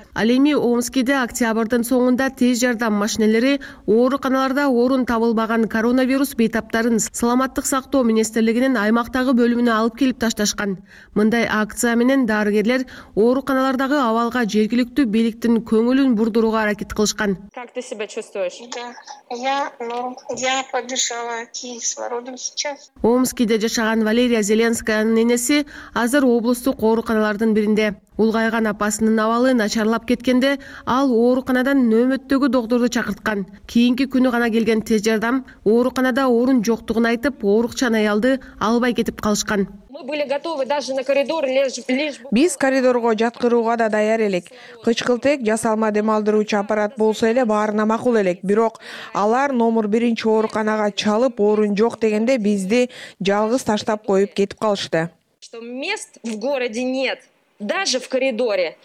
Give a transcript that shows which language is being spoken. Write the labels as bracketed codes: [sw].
[ky] Ал эми Омскиде октябрдын соңунда тез жардам машинелери ооруканаларда орун табылбаган коронавирус бейтаптарын Саламаттык сактоо министрлигинин аймактагы бөлүмүнө алып келип ташташкан. Мындай акция менен дарыгерлер ооруканалардагы абалга жергиликтүү бийликтин көңүлүн бурдурууга аракет кылышкан. [ru] Как ты себя чувствуешь? Я подышала кислородом сейчас. [ky] Омскиде жашаган Валерия Зеленскаянын энеси азыр облустук ооруканалардын биринде. Улгайган апасынын абалы начарлап кеткенде ал ооруканадан нөөмөттөгү доктурду чакырткан. Кийинки күнү гана келген тез жардам ооруканада орун жоктугун айтып, оорукчан аялды албай кетип калышкан. [ru] Мы были готовы даже на коридор лечь. [ky] Биз коридорго жаткырууга да даяр элек. Кычкылтек жасалма дем алдыруучу аппарат болсо эле баарына макул элек. Бирок алар номер 1-чи ооруканага чалып, орун жок дегенде бизди жалгыз таштап коюп кетип калышты. [ru] Что мест в городе нет. Даже в коридоре.